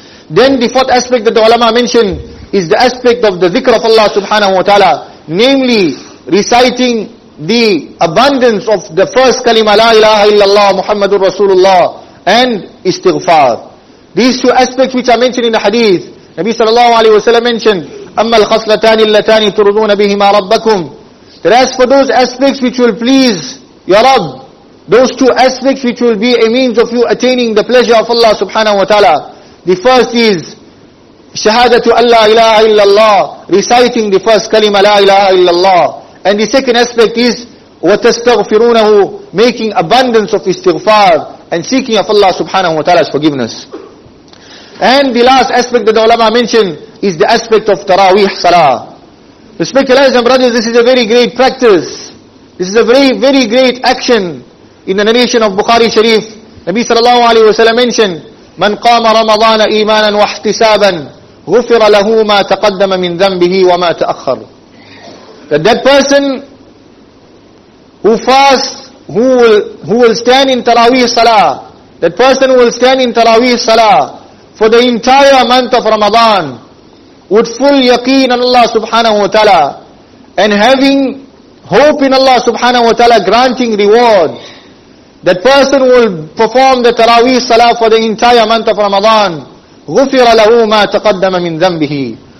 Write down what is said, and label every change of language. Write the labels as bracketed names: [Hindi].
[English] Then the fourth aspect that the ulama mentioned is the aspect of the dhikr of Allah subhanahu wa ta'ala, namely reciting the abundance of the first kalima, [Arabic] la ilaha illallah, Muhammadur Rasulullah, [English] and istighfar. These two aspects which are mentioned in the hadith, Nabi sallallahu alayhi wa sallam mentioned, [Arabic] أَمَّا الْخَصْلَتَانِ اللَّتَانِ تُرْضُونَ بِهِمَا رَبَّكُمْ. [English] That as for those aspects which will please your Rabb, those two aspects which will be a means of you attaining the pleasure of Allah subhanahu wa ta'ala. The first is [Arabic] شَهَادَةُ أَلَّا إِلَهَ إِلَّا اللَّهِ, [English] reciting the first kalima [Arabic] لَا إِلَهَ إِلَّا اللَّهِ. [English] And the second aspect is وَتَسْتَغْفِرُونَهُ, making abundance of istighfar and seeking of Allah subhanahu wa ta'ala's forgiveness. And the last aspect that the ulama mentioned is the aspect of taraweeh salah. Respected Allah and brothers, this is a very great practice. This is a very, very great action. In the narration of Bukhari Sharif, Nabi sallallahu alayhi wa sallam mentioned, [Arabic] مَنْ قَامَ رَمَضَانَ إِيمَانًا وَاحْتِسَابًا غُفِرَ لَهُ مَا تَقَدَّمَ مِنْ ذَنْبِهِ وَمَا تَأَخَّرُ. [English] That person who fasts, who will stand in taraweeh salah, that person who will stand in taraweeh salah for the entire month of Ramadan, with full yaqeen on Allah subhanahu wa ta'ala, and having hope in Allah subhanahu wa ta'ala granting reward, that person will perform the taraweeh salah for the entire month of Ramadan, [Arabic] غُفِرَ لَهُ مَا تَقَدَّمَ مِنْ ذَنْبِهِ.